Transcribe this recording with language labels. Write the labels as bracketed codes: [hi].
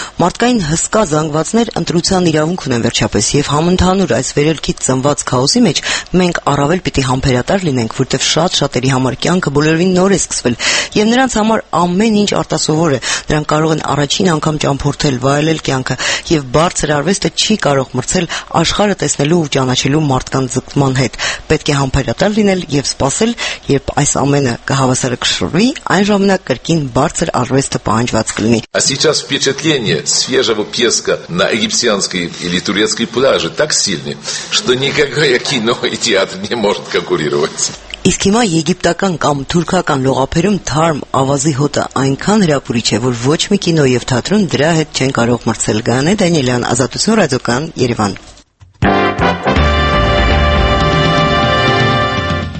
[hy] մարդկային հսկա զանգվածներ ընտրության իրավունք ունեն վերջապես, և համընդհանուր այս վերելքի ծնված քաոսի մեջ մենք առավել պիտի համբերատար լինենք, որովհետև շատ-շատերի համար կյանքը բոլորովին նոր է սկսվել, և նրանց համար ամեն ինչ արտասովոր է, նրանք կարող են առաջին անգամ ճամփորդել, վայելել կյանքը, և բարձր արվեստը չի կարող մրցել աշխարհը տեսնելու ու ճանաչելու մարդկանց ձգտման հետ։ Պետք է համբերատար լինել և սպասել, երբ այս ամենը կհավասարը կշռվի, այն ժամանակ կրկին բարձր արվեստը պահանջված կլինի։ [ru] А сейчас впечатление свежего песка на египетской или турецкой пляже так сильны, что никакое кино и театр не может конкурировать. [hy] Իսկ հիմա եգիպտական կամ թուրքական լողափերում թարմ ավազի հոտը այնքան հրապուրիչ է, որ ոչ մի կինո և թատրոն դրա հետ չեն կարող մրցել։ Գանե Դանիելյան, Ազատություն ռադիոկան, Երևան։